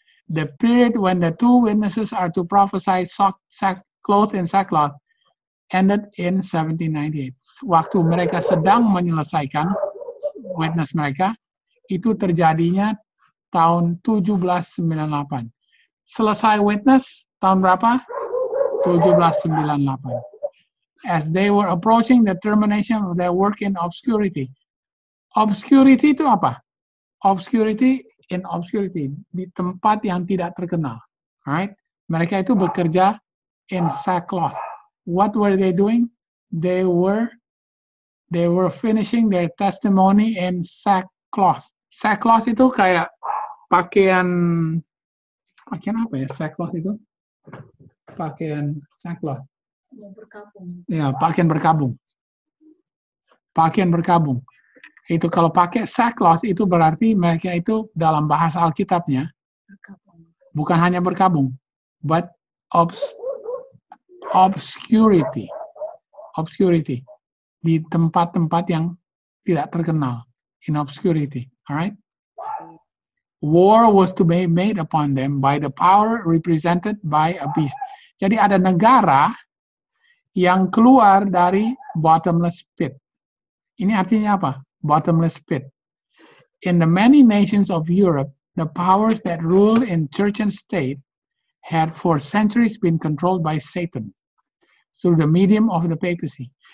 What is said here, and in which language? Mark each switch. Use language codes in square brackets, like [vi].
[en] The period when the two witnesses are to prophesy clothed in sackcloth ended in 1798. [id] Waktu mereka sedang menyelesaikan witness mereka, itu terjadinya tahun 1798. Selesai witness tahun berapa? 1798. [en] As they were approaching the termination of their work in obscurity. Obscurity [id] itu apa? [en] Obscurity in obscurity. [id] Di tempat yang tidak terkenal. [en] Right? [id] Mereka itu bekerja [en] in sackcloth. What were they doing? They were finishing their testimony in sackcloth. [id] Sackcloth itu kayak pakaian apa ya, sackcloth itu? Pakaian sackcloth. Berkabung. Ya, pakaian berkabung. Pakaian berkabung. Itu kalau pakai sackcloth itu berarti mereka itu dalam bahasa Alkitabnya berkabung. Bukan hanya berkabung, [en] but obscurity. Obscurity. [id] Di tempat-tempat yang tidak terkenal. [en] In obscurity. Alright? War was to be made upon them by the power represented by a beast. [id] Jadi ada negara yang keluar dari bottomless pit. Ini artinya apa? Bottomless pit. [en] In the many nations of Europe, the powers that rule in church and state had for centuries been controlled by Satan through the medium of the papacy.